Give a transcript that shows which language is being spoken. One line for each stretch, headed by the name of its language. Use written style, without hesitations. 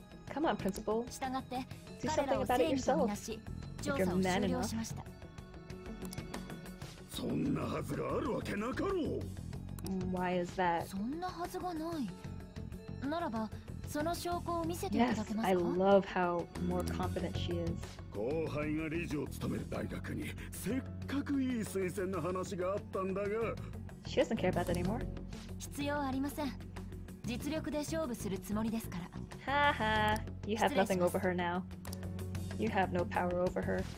English: Come on, principal. Do something about it yourself. You're man enough.
Japanese: そんなはずがあるわけなかろう。
English: Why is that?
Japanese: そんなはずがない。ならば、その証拠を見せていただけますか？
English: Yes, I love how more confident she is.
Japanese: 後輩が理事を務める大学にせっかくいい推薦の話があったんだが。
English: She doesn't care about that anymore.
Japanese: 必要ありません。実力で勝負するつもりですから。
English: ハハ、You have nothing over her now. You have no power over her.